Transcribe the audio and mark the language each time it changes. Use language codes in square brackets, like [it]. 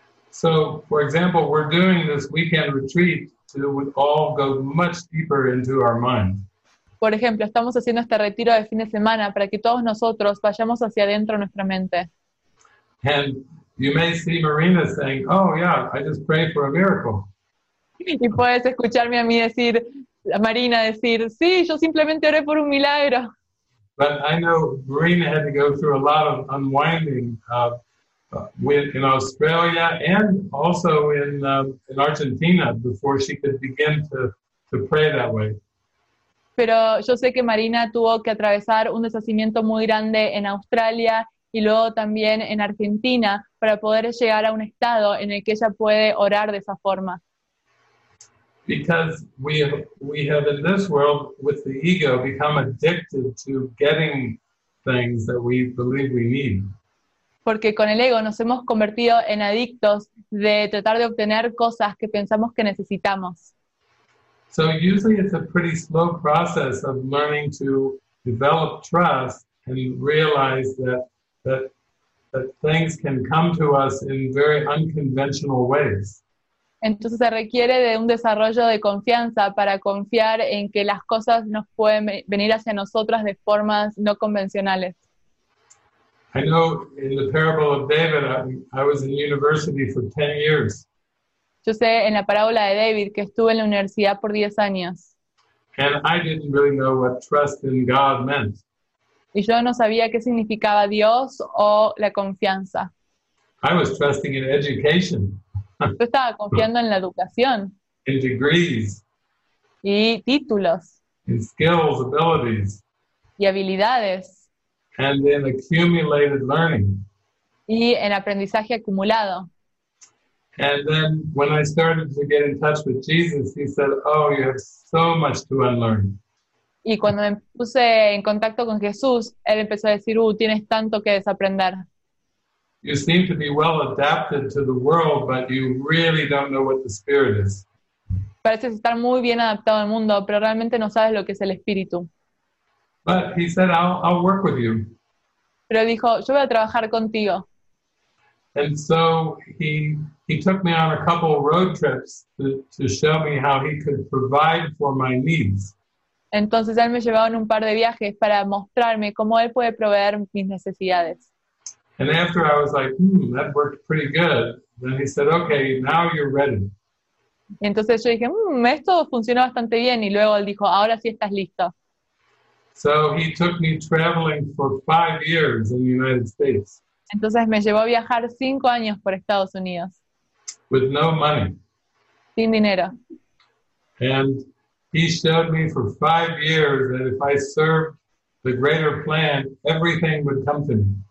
[en] So, for example, we're doing this weekend retreat to all go much deeper into our mind. [es] Por ejemplo, estamos haciendo este retiro de fin de semana para que todos nosotros vayamos hacia adentro de nuestra mente. [en] And you may see Marina saying, "Oh yeah, I just pray for a miracle." [es] Y puedes escucharme a mí decir, a Marina decir, "Sí, yo simplemente oré por un milagro." [en] But I know Marina had to go through a lot of unwinding in Australia and also in Argentina before she could begin to pray that way. [es] Pero yo sé que Marina tuvo que atravesar un deshacimiento muy grande en Australia y luego también en Argentina para poder llegar a un estado en el que ella puede orar de esa forma. [en] Because we have in this world with the ego become addicted to getting things that we believe we need. [es] Porque con el ego nos hemos convertido en adictos de tratar de obtener cosas que pensamos que necesitamos. [en] So usually it's a pretty slow process of learning to develop trust and realize that things can come to us in very unconventional ways. [es] Entonces se requiere de un desarrollo de confianza para confiar en que las cosas nos pueden venir hacia nosotras de formas no convencionales. [en] I know in the parable of David, I was in university for 10 years. [es] Yo sé en la parábola de David que estuve en la universidad por 10 años. [en] And I didn't really know what trust in God meant. [es] Y yo no sabía qué significaba Dios o la confianza. [en] I was trusting in education. [es] Yo estaba confiando en la educación. [en] In degrees. [es] Y títulos. [en] In skills, abilities. [es] Y habilidades. [en] And in accumulated learning. [es] Y en aprendizaje acumulado. [en] And then when I started to get in touch with Jesus, he said, "Oh, you have so much to unlearn." [es] Y cuando me puse en contacto con Jesús, él empezó a decir, tienes tanto que desaprender. [en] You seem to be well adapted to the world, but you really don't know what the Spirit is. [es] Pareces estar muy bien adaptado al mundo, pero realmente no sabes lo que es el Espíritu. [en] But he said, I'll work with you. [es] Pero dijo, yo voy a trabajar contigo. [en] And so he took me on a couple of road trips to show me how he could provide for my needs. [es] Entonces él me llevaba en un par de viajes para mostrarme cómo él puede proveer mis necesidades. [en] And after I was like, that worked pretty good. Then he said, okay, now you're ready. [es] Entonces yo dije, esto funcionó bastante bien. Y luego él dijo, ahora sí estás listo. [en] So he took me traveling for 5 years in the United States. [es] Entonces me llevó a viajar 5 años por Estados Unidos. [en] With no money. [es] Sin dinero. [en] And he showed me for 5 years that if I served the greater plan, everything would come to me.